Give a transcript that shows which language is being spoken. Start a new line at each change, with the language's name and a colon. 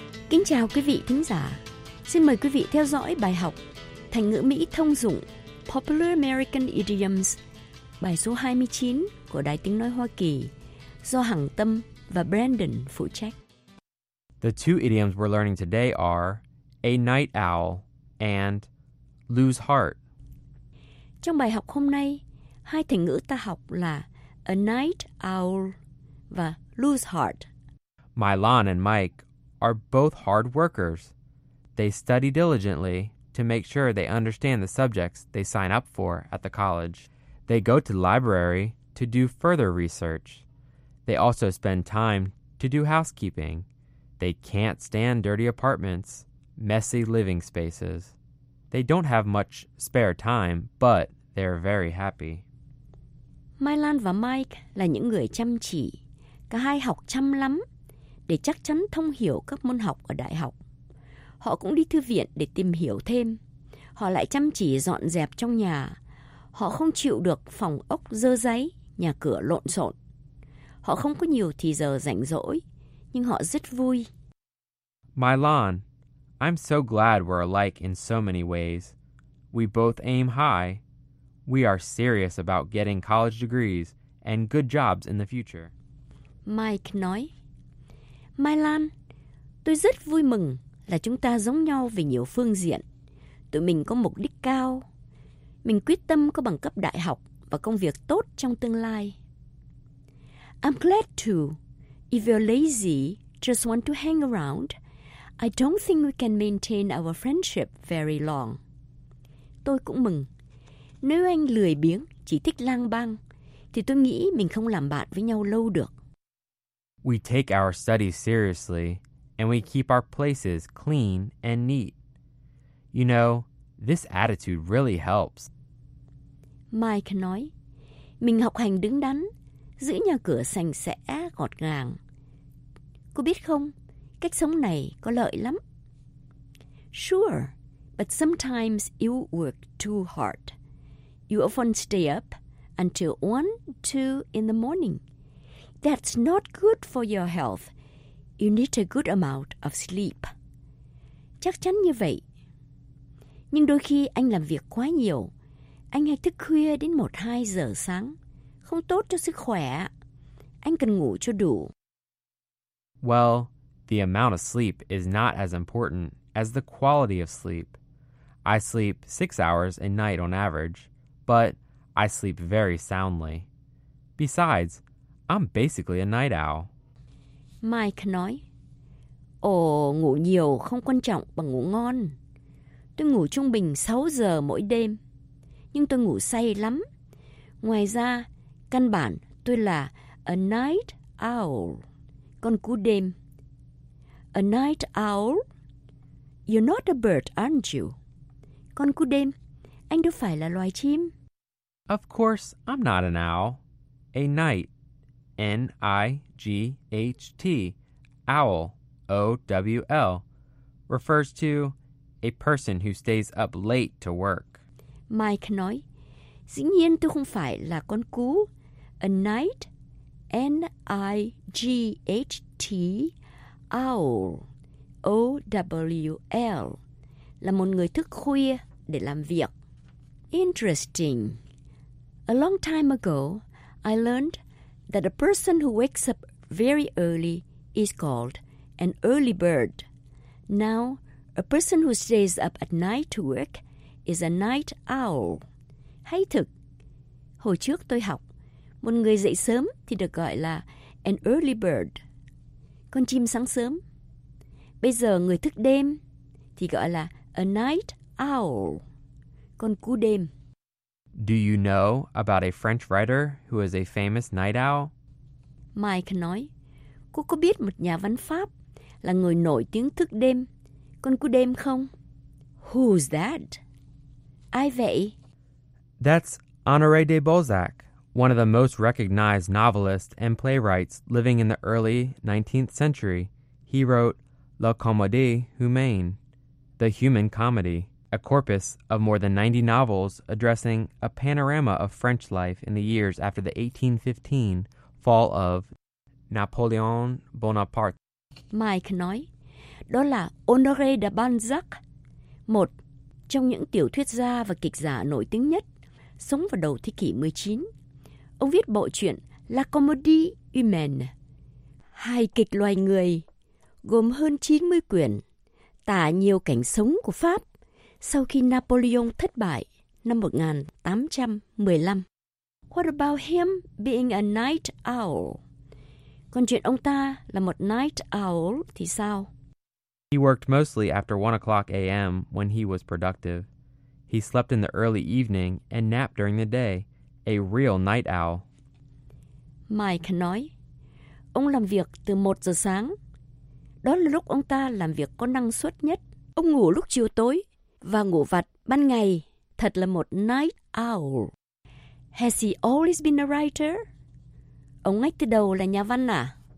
Vietnamese: Kính chào quý vị thính giả. Xin mời quý vị theo dõi bài học thành ngữ Mỹ thông dụng
English: Popular American Idioms,
Vietnamese: bài số 29 của Đài Tiếng Nói Hoa Kỳ do Hằng Tâm và Brandon phụ trách.
English: The two idioms we're learning today are a night owl and lose heart.
Vietnamese: Trong bài học hôm nay, hai thành ngữ ta học là
English: a night owl
Vietnamese: và
English: lose heart. Milan and Mike are both hard workers. They study diligently to make sure they understand the subjects they sign up for at the college. They go to the library to do further research. They also spend time to do housekeeping. They can't stand dirty apartments, messy living spaces. They don't have much spare time, but they're very happy.
Vietnamese: Milan và Mike là những người chăm chỉ. Cả hai học chăm lắm để chắc chắn thông hiểu các môn học ở đại học. Họ cũng đi thư viện để tìm hiểu thêm. Họ lại chăm chỉ dọn dẹp trong nhà. Họ không chịu được phòng ốc dơ dáy, nhà cửa lộn xộn. Họ không có nhiều thời giờ rảnh rỗi. Nhưng họ rất vui.
English: Milan, I'm so glad we're alike in so many ways. We both aim high. We are serious about getting college degrees and good jobs in the future.
Vietnamese: Mike nói, Mai Lan, tôi rất vui mừng là chúng ta giống nhau về nhiều phương diện. Tụi mình có mục đích cao. Mình quyết tâm có bằng cấp đại học và công việc tốt trong tương lai.
English: I'm glad too. If you're lazy, just want to hang around, I don't think we can maintain our friendship very long.
Vietnamese: Tôi cũng mừng. Nếu anh lười biếng, chỉ thích lang bang, thì tôi nghĩ mình không làm bạn với nhau lâu được.
English: We take our studies seriously, and we keep our places clean and neat. You know, this attitude really helps.
Vietnamese: Mike nói, mình học hành đứng đắn, giữ nhà cửa sạch sẽ, gọn gàng. Cô biết không, cách sống này có lợi lắm.
English: Sure, but sometimes you work too hard. You often stay up until 1-2 in the morning. That's not good for your health. You need a good amount of sleep.
Vietnamese: Chắc chắn như vậy. Nhưng đôi khi anh làm việc quá nhiều. Anh hay thức khuya đến 1-2 giờ sáng. Không tốt cho sức khỏe. Anh cần ngủ cho đủ.
English: Well, the amount of sleep is not as important as the quality of sleep. I sleep 6 hours a night on average, but I sleep very soundly. Besides, I'm basically a night owl.
Vietnamese: Mike nói, Ồ, ngủ nhiều không quan trọng bằng ngủ ngon. Tôi ngủ trung bình 6 giờ mỗi đêm, nhưng tôi ngủ say lắm. Ngoài ra, căn bản tôi là
English: a night owl,
Vietnamese: con cú đêm.
English: A night owl? You're not a bird, aren't you?
Vietnamese: Con cú đêm, anh đâu phải là loài chim.
English: Of course, I'm not an owl. A night. N-I-G-H-T. Owl. O-W-L. Refers to a person who stays up late to work.
Vietnamese: Mike nói, Dĩ nhiên tôi không phải là con cú.
English: A night. N-I-G-H-T. Owl. O-W-L.
Vietnamese: Là một người thức khuya để làm việc.
English: Interesting. A long time ago, I learned that a person who wakes up very early is called an early bird. Now, a person who stays up at night to work is a night owl.
Vietnamese: Hay thực! Hồi trước tôi học, một người dậy sớm thì được gọi là
English: an early bird,
Vietnamese: con chim sáng sớm. Bây giờ người thức đêm thì gọi là
English: a night owl,
Vietnamese: con cú đêm.
English: Do you know about a French writer who is a famous night owl?
Vietnamese: Mike nói, Cô có biết một nhà văn Pháp là người nổi tiếng thức đêm, con cú đêm không?
English: Who's that?
Vietnamese: Ai vậy?
English: That's Honoré de Balzac, one of the most recognized novelists and playwrights living in the early 19th century. He wrote La Comédie Humaine, The Human Comedy. A corpus of more than 90 novels addressing a panorama of French life in the years after the 1815 fall of Napoleon Bonaparte.
Vietnamese: Mike nói, đó là Honoré de Balzac, một trong những tiểu thuyết gia và kịch giả nổi tiếng nhất, sống vào đầu thế kỷ 19. Ông viết bộ truyện La Comédie Humaine, hài kịch loài người, gồm hơn 90 quyển, tả nhiều cảnh sống của Pháp. Sau khi Napoleon thất bại năm 1815,
English: what about him being a night owl?
Vietnamese: Còn chuyện ông ta là một
English: night owl
Vietnamese: thì sao?
English: He worked mostly after 1 o'clock a.m. when he was productive. He slept in the early evening and napped during the day. A real night owl.
Vietnamese: Mike nói, ông làm việc từ 1 giờ sáng. Đó là lúc ông ta làm việc có năng suất nhất. Ông ngủ lúc chiều tối. Và ngủ vặt ban ngày, thật là một
English: night owl. Has he always been a writer?
Vietnamese: Ông ngay từ đầu là nhà văn à?